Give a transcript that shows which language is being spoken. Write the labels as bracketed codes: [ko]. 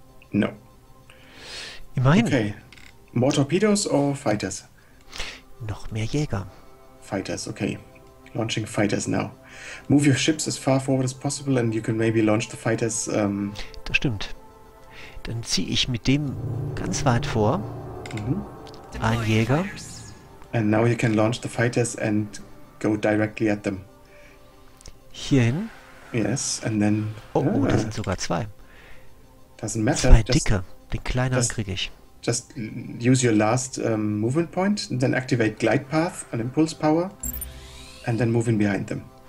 [en] No. [de] Immerhin. [en] Okay. More Torpedoes or Fighters? [de] Noch mehr Jäger. [en] Fighters, okay. Launching Fighters now. Move your ships as far forward as possible and you can maybe launch the Fighters. [de] Das stimmt. Dann ziehe ich mit dem ganz weit vor. Mhm. Ein Jäger. [en] And now you can launch the Fighters and go directly at them. [de] Hierhin? [en] Yes, and then... [de] Oh, oh, das sind sogar zwei. [en] Doesn't matter. [de] Zwei dicke. Den kleineren kriege ich. [en] Just use your last movement point, and then activate Glide Path and Impulse Power, and then move in behind them.